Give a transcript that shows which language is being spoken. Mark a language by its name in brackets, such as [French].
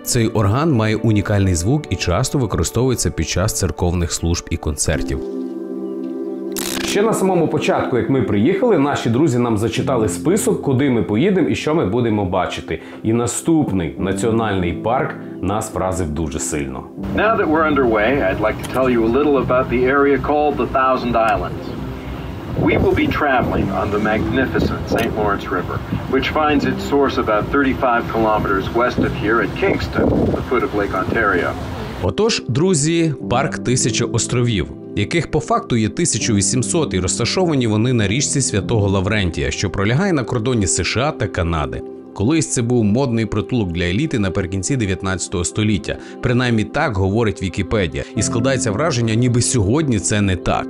[Ukrainian] Цей орган має унікальний звук і часто використовується під час церковних служб і концертів. Ще на самому початку, як ми приїхали, наші друзі нам зачитали список, куди ми поїдемо і що ми будемо бачити. І наступний національний парк нас вразив дуже сильно. [English] Now that we're underway, I'd like to tell you a little about the area called the Thousand Islands. We will be traveling on the magnificent St. Lawrence River, which finds its source about 35 kilometers west of here at Kingston, the foot of Lake Ontario. [Ukrainian] Отож, друзі, парк Тисяча островів, яких по факту є 1800, і розташовані вони на річці Святого Лаврентія, що пролягає на кордоні США та Канади. Колись це був модний притулок для еліти наприкінці 19 століття. Принаймні так говорить Вікіпедія. І складається враження, ніби сьогодні це не так.